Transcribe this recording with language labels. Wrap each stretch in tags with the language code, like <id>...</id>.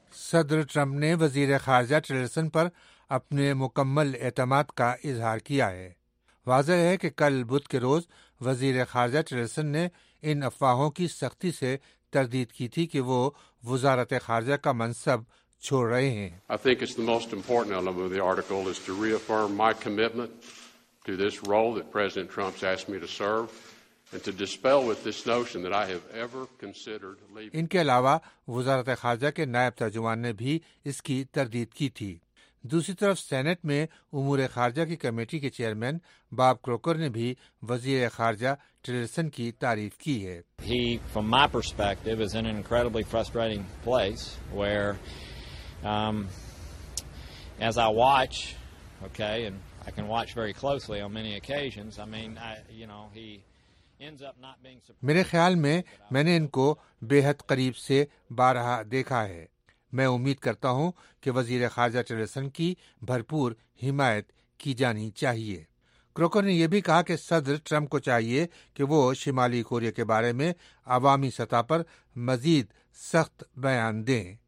<ur>صدر ٹرمپ نے وزیر خارجہ ٹیلرسن پر اپنے مکمل اعتماد کا اظہار کیا ہے. واضح ہے کہ کل بدھ کے روز وزیر خارجہ ٹیلرسن نے ان افواہوں کی سختی سے تردید کی تھی کہ وہ وزارت خارجہ کا منصب چھوڑ رہے ہیں.</ur> <en>I think it's the most important element of the article is to reaffirm my commitment to this role that President Trump's asked me to serve and to dispel with this notion that I have ever considered leaving.</en> <ur>ان کے علاوہ وزارت خارجہ کے نائب ترجمان نے بھی اس کی تردید کی تھی. دوسری طرف سینٹ میں امور خارجہ کی کمیٹی کے چیئرمین باب کروکر نے بھی وزیر خارجہ ٹیلرسن کی تعریف کی ہے.</ur> <en>He, from my perspective, is in an incredibly frustrating place where, as I watch, okay, and I can watch very closely on many occasions, I mean, you know, he ends up not being surprised.</en> <ur>میرے خیال میں میں نے ان کو بے حد قریب سے بارہا دیکھا ہے. میں امید کرتا ہوں کہ وزیر خارجہ ٹیلرسن کی بھرپور حمایت کی جانی چاہیے. کروکر نے یہ بھی کہا کہ صدر ٹرمپ کو چاہیے کہ وہ شمالی کوریا کے بارے میں عوامی سطح پر مزید سخت بیان دیں.</ur>